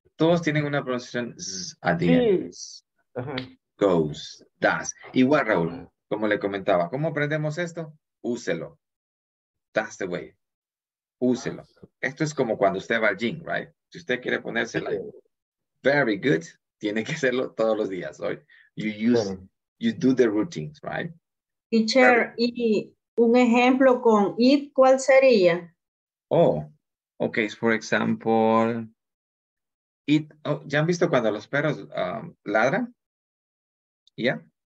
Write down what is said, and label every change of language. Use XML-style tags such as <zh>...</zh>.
<es>Todos tienen una pronunciación z</es> <en>at the end.</en> <es>Goes, does. Igual, Raúl, como le comentaba, ¿cómo aprendemos esto? Úselo.</es> <en>That's the way.</en> <es>Úselo. Esto es como cuando usted va al gym, right? Si usted quiere ponerse</es> <en>like, very good,</en> <es>tiene que hacerlo todos los días.</es> <en>So you use, you do the routines, right?</en> <es>Teacher, y un ejemplo con it, ¿cuál sería?</es> <en>Oh, okay, for example,</en> <es>it, oh, ¿ya han visto cuando los perros ladran?</es> <en>Yeah.</en>